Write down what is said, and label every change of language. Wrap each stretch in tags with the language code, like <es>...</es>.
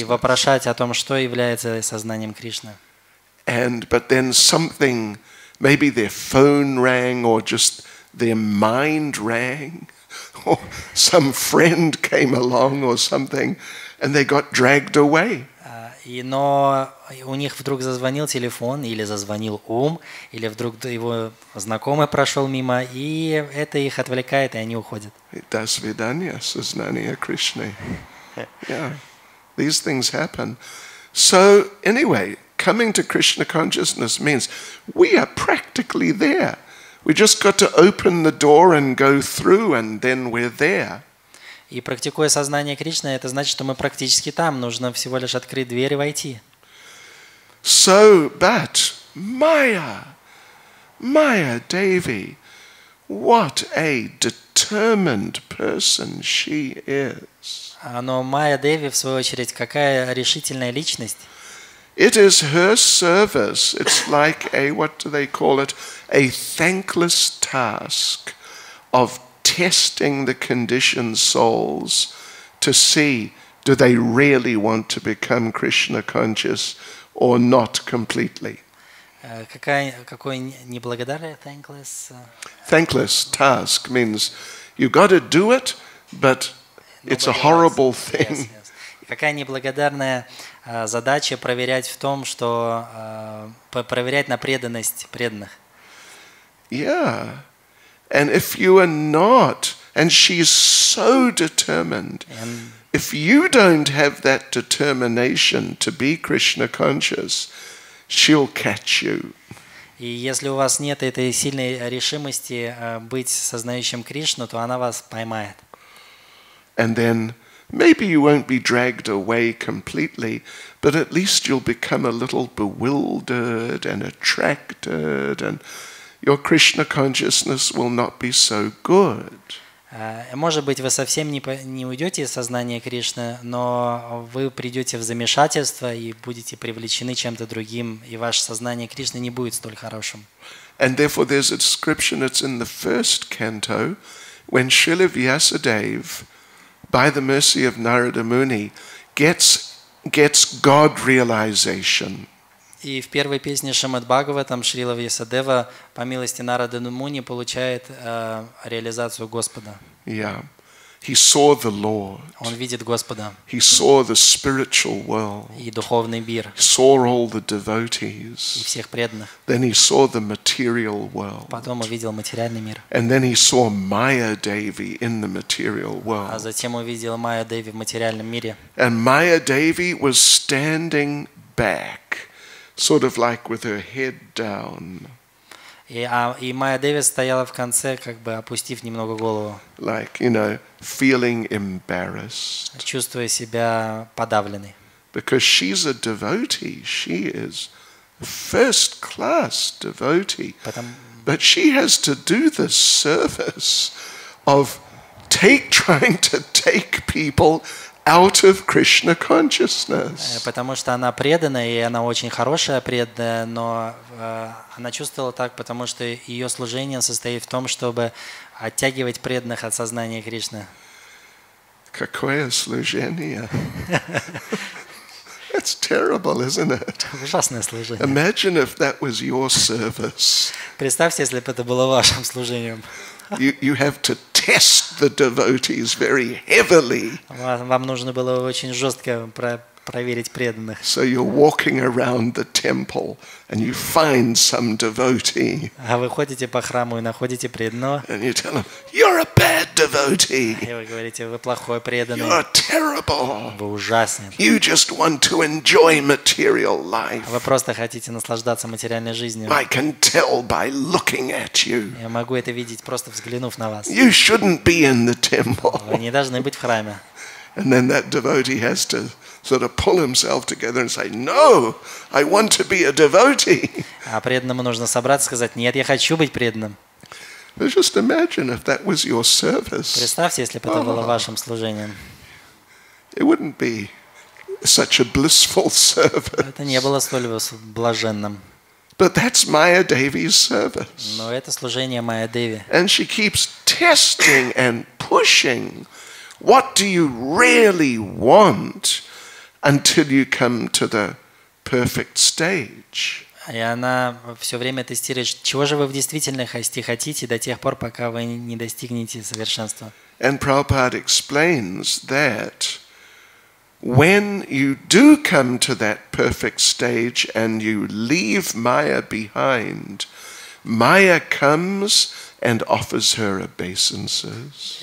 <ru>И вопрошать о том, что является сознанием Кришны.</ru> <en>And but then something, maybe their phone rang or just their mind rang, or some friend came along or something, and they got dragged away.</en> <ru>Но у них вдруг зазвонил телефон, или зазвонил ум, или вдруг его знакомый прошел мимо, и это их отвлекает, и они уходят. До свидания, сознание Кришны.</ru> <en>Yeah, these things happen. So, anyway, coming to Krishna consciousness means we are practically there. We just got to open the door and go through, and then we're there.</en> <ru>И практикуя сознание Кришны, это значит, что мы практически там. Нужно всего лишь открыть дверь и войти.</ru> <en>So, but Maya Devi, what a determined person she is.</en> <ru>Но Maya Devi, в свою очередь, какая решительная личность.</ru> <en>It is her service. It's like a, what do they call it? A thankless task of testing the conditioned souls to see do they really want to become Krishna conscious or not completely.</en> <ru>Какой неблагодарный, thankless.</ru> <en>Thankless task means you got to do it, but it's a horrible thing.</en> <ru>Какая неблагодарная задача проверять в том, что проверять на преданность преданных.</ru> <en>Yeah. And if you are not, and she is so determined, if you don't have that determination to be Krishna conscious, she'll catch you.</en> <ru>И если у вас нет этой сильной решимости быть сознающим Кришну, то она вас поймает.</ru> <en>And then maybe you won't be dragged away completely, but at least you'll become a little bewildered and attracted and your Krishna consciousness will not be so good.</en> <ru>Может быть, вы совсем не уйдете из сознания Кришны, но вы придете в замешательство и будете привлечены чем-то другим, и ваше сознание Кришны не будет столь хорошим.</ru> <en>And therefore there's a description, it's in the first canto, when Srila Vyasadev, by the mercy of Narada Muni, gets God realization.</en> <ru>И в первой песне Шримад-Бхагаватам Шрила Вьясадева по милости Нарады Муни получает реализацию Господа.</ru> <en>Yeah. He saw the Lord.</en> <ru>Он видит Господа.</ru> <en>He saw the spiritual world.</en> <ru>И духовный мир.</ru> <en>He saw all the devotees.</en> <ru>И всех преданных.</ru> <en>Then he saw the material world.</en> <ru>Потом увидел материальный мир.</ru> <en>And then he saw Maya Devi in the material world.</en> <ru>А затем увидел Майя Деви в материальном мире.</ru> <en>And Maya Devi was standing back, sort of like with her head down.</en> <ru>И Майя Деви стояла в конце, как бы опустив немного голову.</ru> <en>Like, you know, feeling embarrassed.</en> <ru>Чувствуя себя подавленной.</ru> <en>Because she's a devotee. She is a first-class devotee. But she has to do the service of trying to take people out of Krishna consciousness.</en> <ru>Потому что она преданная, и она очень хорошая преданная, но она чувствовала так, потому что ее служение состоит в том, чтобы оттягивать преданных от сознания Кришны. Какое служение?</ru> <en>That's terrible, isn't it?</en> <ru>Ужасное служение.</ru> <en>Imagine if that was your service.</en> <ru>Представьте, если бы это было вашим служением.</ru> <en>You have to test the devotees very heavily.</en> <ru>Вам нужно было очень жестко проверить преданных.</ru> <en>So you're walking around the temple and you find some devotee.</en> <ru>А вы ходите по храму и находите преданного.</ru> <en>And you tell him, you're a bad devotee.</en> <ru>И вы говорите, вы плохой преданный.</ru> <en>You're terrible.</en> <ru>Вы ужасный.</ru> <en>You just want to enjoy material life.</en> <ru>Вы просто хотите наслаждаться материальной жизнью.</ru> <en>I can tell by looking at you.</en> <ru>Я могу это видеть, просто взглянув на вас.</ru> <en>You shouldn't be in the temple.</en> <ru>Вы не должны быть в храме.</ru> <en>And then that devotee has to sort of pull himself together and say, "No, I want to be a devotee."</en> <ru>А преданному нужно собраться и сказать: "Нет, я хочу быть преданным."</ru> <en>Just imagine if that was your service.</en> <ru>Представьте, если бы это было вашим служением.</ru> <en>It wouldn't be such a blissful service.</en> <ru>Это не было столь бы блаженным.</ru> <en>But that's Maya Devi's service.</en> <ru>Но это служение Майя Деви.</ru> <en>And she keeps testing and pushing. What do you really want? Until you come to the perfect stage.</en> <ru>И она все время тестирует, чего же вы в действительности хотите до тех пор, пока вы не достигнете совершенства.</ru> <en>And Prabhupada explains that when you do come to that perfect stage and you leave Maya behind, Maya comes and offers her obeisances.</en>